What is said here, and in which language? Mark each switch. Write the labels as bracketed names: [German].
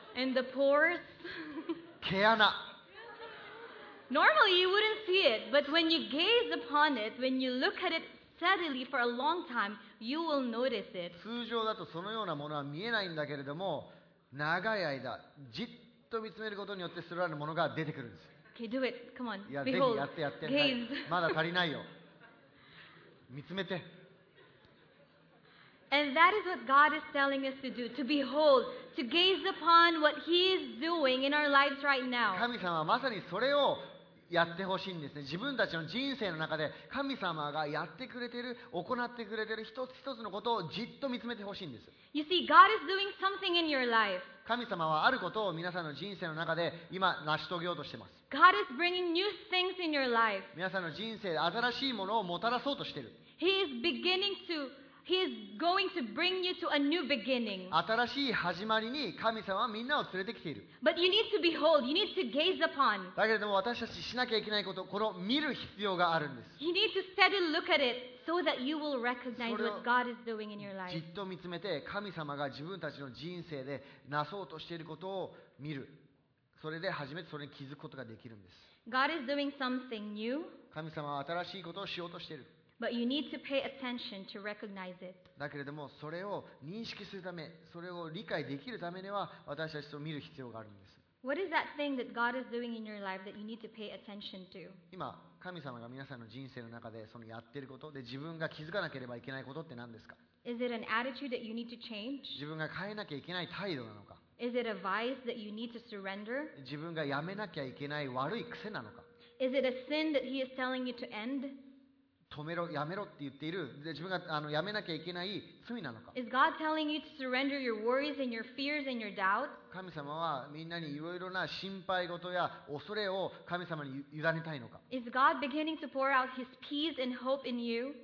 [English] And the pores. [Japanese] 毛穴。 [English] Normally you wouldn't see it, but when you gaze upon it, when you look at it steadily for a long time, you will notice it. [Japanese] 通常だとそのようなものは見えないんだけれども、長い間じっと見つめることによってそれらのものが出てくるんです。 [English] Okay, do it. Come on. [Japanese] いや、ぜひやってやって。 [English] Gaze. [Japanese] まだ足りないよ。見つめて。 [English] And that is what God is telling us to do, to behold, to gaze upon what He is doing in our lives right now. [Japanese] 神様はまさにそれをやってほしいんですね。自分たちの人生の中で神様がやってくれている、行ってくれている一つ一つのことをじっと見つめてほしいんです。 [English] You see, God is doing something in your life. [Japanese] 神様はあることを皆さんの人生の中で今成し遂げようとしています。 [English] God is bringing new things in your life. [Japanese] 皆さんの人生で新しいものをもたらそうとしている。 [English] He is beginning to... He is going to bring you to a new beginning. [Japanese] 新しい始まりに神様はみんなを連れてきている。 [English] But you need to behold. You need to gaze upon. [Japanese] だけれども私たちしなきゃいけないこと、この見る必要があるんです。 [English] You need to steadily look at it so that you will recognize what God is doing in your life. [Japanese] じっと見つめて神様が自分たちの人生でなそうとしていることを見る。それで初めてそれに気づくことができるんです。 [English] God is doing something new. [Japanese] 神様は新しいことをしようとしている。 [English] But you need to pay attention to recognize it. [Japanese] だけれどもそれを認識するため、それを理解できるためには私たちを見る必要があるんです。 [English] What is that thing that God is doing in your life that you need to pay attention to? [Japanese] 今、神様が皆さんの人生の中でそのやっていることで自分が気づかなければいけないことって何ですか? [English] Is it an attitude that you need to change? [Japanese] 自分が変えなきゃいけない態度なのか? [English] Is it a vice that you need to surrender? [Japanese] 自分がやめなきゃいけない悪い癖なのか? [English] Is it a sin that He is telling you to end? [Japanese] 止めろ、やめろって言っている。で、自分があのやめなきゃいけない罪なのか。 [English] Is God telling you to surrender your worries and your fears and your doubts? [Japanese] 神様はみんなにいろいろな心配事や恐れを神様に委ねたいのか。 [English] Is God beginning to pour out His peace and hope in you?